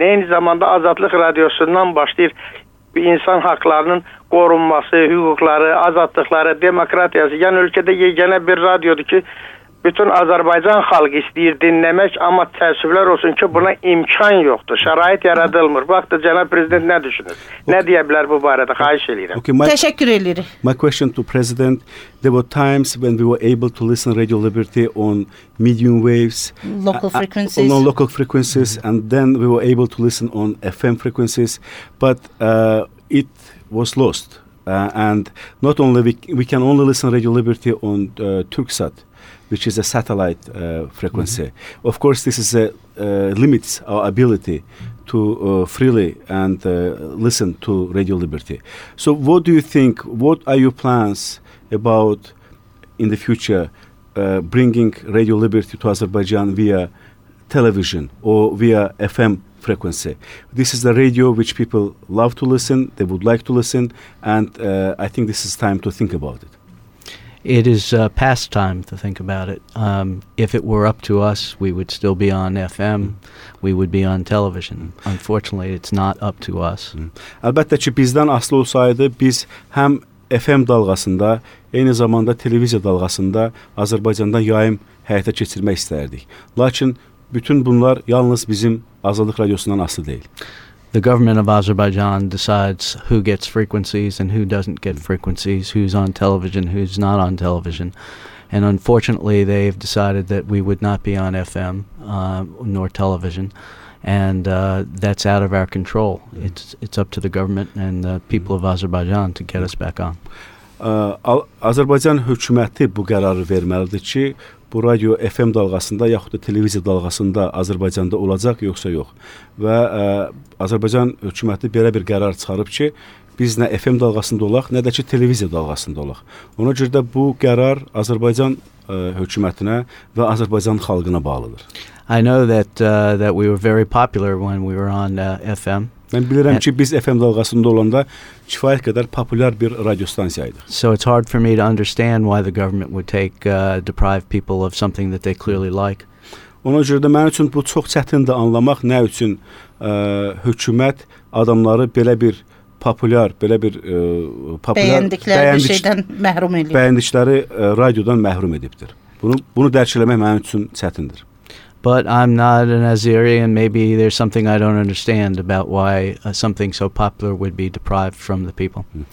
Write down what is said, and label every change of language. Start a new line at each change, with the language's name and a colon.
Azerbaijani: Eyni zamanda Azadlıq Radiosundan başlayır insan haqlarının qorunması, hüquqları, azadlıqları, demokratiyası. Yəni ölkədə yeganə bir radiodur ki, bütün Azərbaycan xalqı istəyir dinləmək, amma təəssüflər olsun ki, buna imkan yoxdur. Şərait yaradılmır. Bax da, cənab prezident nə düşünür? Okay. Nə deyə bilər bu barədə? Xahiş eləyirəm. Okay, təşəkkür eləyirik.
English: My question to president. There were times when we were able to listen Radio Liberty on medium waves. Local frequencies. On local frequencies. Mm-hmm. And then we were able to listen on FM frequencies. But it was lost. And not only we can only listen Radio Liberty on Turksat, which is a satellite frequency. Mm-hmm. Of course, this is a limits our ability to freely and listen to Radio Liberty. So what do you think, what are your plans about in the future bringing Radio Liberty to Azerbaijan via television or via FM frequency? This is the radio which people love to listen, they would like to listen, and I think this is time to think about it. It is past time to think about it. If it were up to us, we would still be on FM. We would be on television. Unfortunately, it's not up to us.
Azerbaijani: Əlbəttə ki, bizdən asılı olsaydı, biz həm FM dalğasında, eyni zamanda televiziya dalğasında Azərbaycandan yayım həyata keçirmək istərdik. Lakin bütün bunlar yalnız bizim Azadlıq Radiosundan asılı deyil.
English: The government of Azerbaijan decides who gets frequencies and who doesn't get frequencies, who's on television, who's not on television. And unfortunately, they've decided that we would not be on FM nor television. And that's out of our control. Mm-hmm. It's up to the government and the people of Azerbaijan to get us back on.
Azerbaijani: Azerbaijan hükuməti bu qərarı verməlidir ki, bu radio FM dalğasında yaxud da televiziya dalğasında Azərbaycanda olacaq, yoxsa yox. Və Azərbaycan hökuməti belə bir qərar çıxarıb ki, biz nə FM dalğasında olaq, nə də ki televiziya dalğasında olaq. Ona görə də bu qərar Azərbaycan hökumətinə və Azərbaycan xalqına bağlıdır.
English: I know that we were very popular when we were on FM.
Azerbaijani: Mən bilirəm ki, biz FM dalğasında olanda kifayət qədər populyar bir radio stansiyaydıq.
English: So it's hard for me to understand why the government would take deprive people of something that they clearly like.
Azerbaijani: Ona görə də mənim üçün bu çox çətindir anlamaq, nə üçün hökumət adamları belə bir popüler, belə bir bəyəndikləri bir şeydən məhrum edib. Bəyəndikləri radiodan məhrum edibdir. Bunu dərk eləmək mənim üçün çətindir.
English: But I'm not an Azeri, and maybe there's something I don't understand about why something so popular would be deprived from the people.